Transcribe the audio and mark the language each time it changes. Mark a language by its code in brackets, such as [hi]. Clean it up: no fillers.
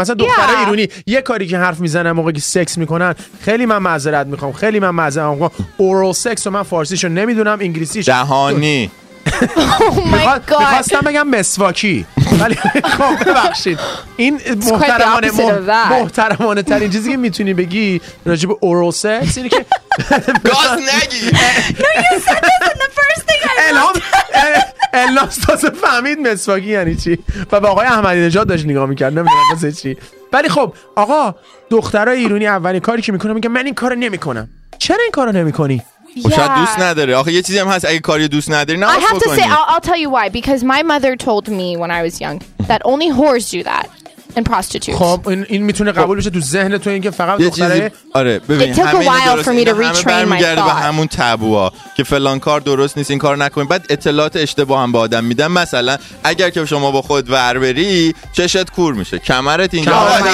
[fa] مثلا دخترای ایرانی یه کاری که حرف میزنن موقعی که سکس میکنن، خیلی من معذرت میخوام، خیلی من معذرت میخوام، اورال سکس رو من فارسیشو نمیدونم، انگلیسیش دهانی. میخواستم بگم مسواکی، ولی خب ببخشید، این محترمانه محترمانه ترین چیزی که میتونی بگی راجب اورال سکس اینه که گاز نگی. [en] No, you said this in the first thing I loved. [fa] الناس تازه فهمید مسواکی یعنی چی و به آقای احمدی نژاد داشت نگاه میکرد، نمیدونم واسه چی. ولی خب آقا، دخترای ایرانی اولین کاری که میکنه میگه من این کارو نمیکنم. چرا این کارو نمیکنی؟ [en] Yeah. [fa] شاید دوست نداره. آخه یه چیزی هم هست، اگه کاری دوست نداری نه. [en] I have to say I'll tell you why, because my mother told me when I was young that only whores do that and prostitutes. [fa] خب این میتونه قبول بشه تو ذهن تو، اینکه فقط دختره چیزی... آره ببین، [en] it took a while for me to retrain my thought. [fa] به همون تابوها که فلان کار درست نیست، این کار نکنید، بعد اطلاعات اشتباه هم به آدم میدن. مثلا اگر که شما با خود ور بری، چشت کور میشه، کمرت اینجا